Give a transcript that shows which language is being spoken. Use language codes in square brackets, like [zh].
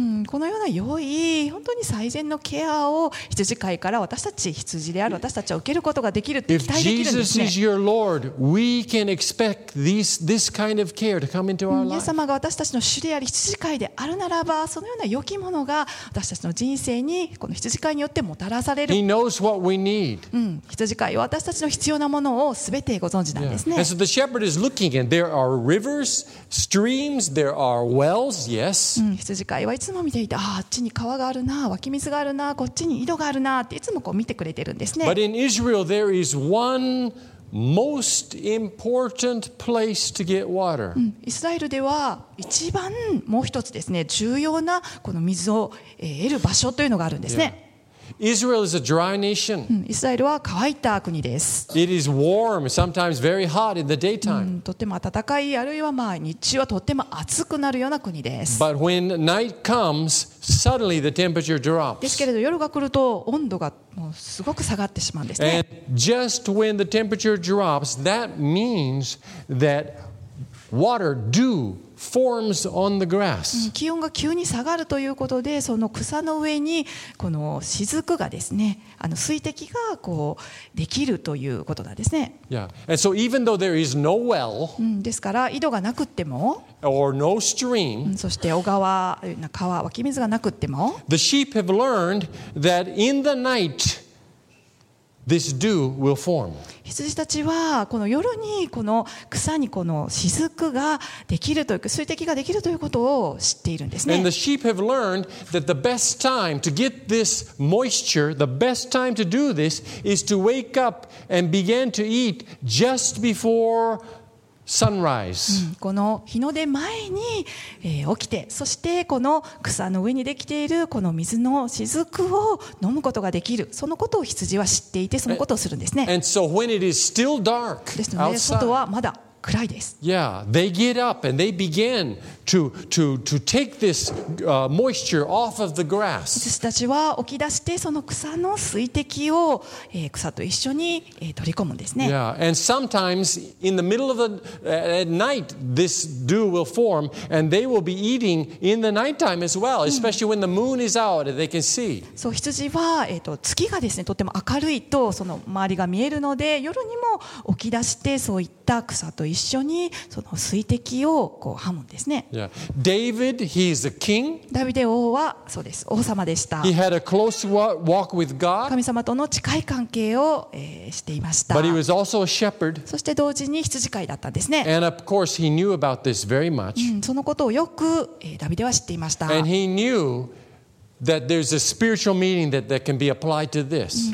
[ja] このような良い、本当に最善のケアを羊飼いから私たち、羊である私たちは受けることができるって期待できるんですね。 [en] If Jesus is your Lord, we can expect this kind of care to come into our life. [ja] イエス様が私たちの主であり、羊飼いであるならば、そのような良きものが私たちの人生に、この羊飼いによってもたらされる。 [en] He knows what we need. [ja] 羊飼いは私たちの必要なものをすべてご存知なんですね。 [en] And so the shepherd is looking and there are rivers, streams,There are wells, yes. [ja] 羊飼いはいつも見ていた。あっちに川があるな、湧き水があるな、こっちに井戸があるなっていつもこう見てくれてるんですね。 [en] But in Israel, there is one most important place to get water. [ja] イスラエルでは一番もう一つですね、重要なこの水を得る場所というのがあるんですね。 [en] Yeah. Israel is a dry nation. [ja] イスラエルは乾いた国です。 [en] It is warm, sometimes very hot in the daytime. [ja] とても暖かい、あるいはまあ日中はとても暑くなるような国です。 [en] But when night comes, suddenly the temperature drops. [ja] ですけれど夜が来ると温度がもうすごく下がってしまうんですね。 [en] And just when the temperature drops, that means that water, dew. Forms on the grass. [ja] 気温が急に下がるということで、その草の上にこの雫がですね、あの水滴がこうできるということなんですね。 [en] Yeah. And so even though there is no well, [ja] ですから井戸がなくっても、 [en] or no stream, [ja] そして小川、川、湧き水がなくっても、 [en] the sheep have learned that in the night. This dew will form. [ja] 羊たちはこの夜にこの草にこの雫ができるというか水滴ができるということを知っているんですね。 [en] And the sheep have learned that the best time to get this moisture, the best time to do this, is to wake up and begin to eat just before sunrise.、 [ja] この日の出前に、起きて、そしてこの草の上にできているこの水の雫を飲むことができる。そのことを羊は知っていて、そのことをするんですね。 [en] And so when it is still dark outside, [ja] ですので外はまだ暗いです。 [en] Yeah, they get up and they begin to take this moisture off of the grass. [ja] 羊たちは起き出してその草の水滴を、草と一緒に、取り込むんですね。 [en] Yeah, and sometimes in the middle of the at night this dew will form and they will be eating in the nighttime as well, especially when the moon is out and they can see. [ja] そう、羊は、月がですねとても明るいとその周りが見えるので夜にも起き出してそういった草と一緒にその水滴をこう噛むんですね。 [en] Yeah. David, he is a king. [ja] ダビデ王はそうです、王様でした。 [en] He had a close walk with God. [ja] 神様との近い関係を、していました。 [en] But he was also a shepherd. [ja] そして同時に羊飼いだったんですね。 [en] And of course, he knew about this very much. [ja] そのことをよく、ダビデは知っていました。 [en] And he knewThat there's a spiritual meaning that can be applied to this.